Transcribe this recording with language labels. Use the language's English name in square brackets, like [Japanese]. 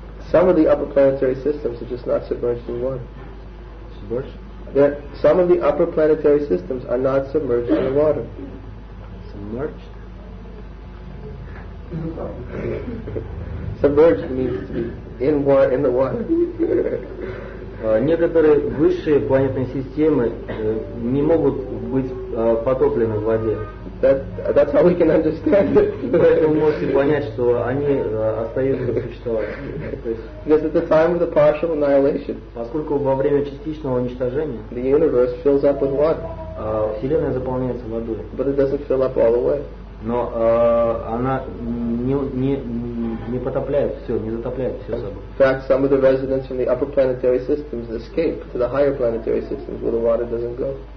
[English] Some of the upper planetary systems are just not submerged in water. Submerged? That some of the upper planetary systems are not submerged in water. Submerged? Submerged means to be in water, in the water. [Russian] Некоторые высшие планетные системы не могут быть потоплены в воде. [English] That's how we can understand it. [Russian] Поэтому можете понять, что они остаются существовать. [English] Because at the time of the partial annihilation, [Russian] поскольку во время частичного уничтожения, [English] the universe fills up with water. [Russian] Вселенная заполняется водой. [English] But it doesn't fill up all the way. [Russian] Но она не потопляет все, не затопляет все собой. [English] In fact, some of the residents from the upper planetary systems escape to the higher planetary systems where the water doesn't go.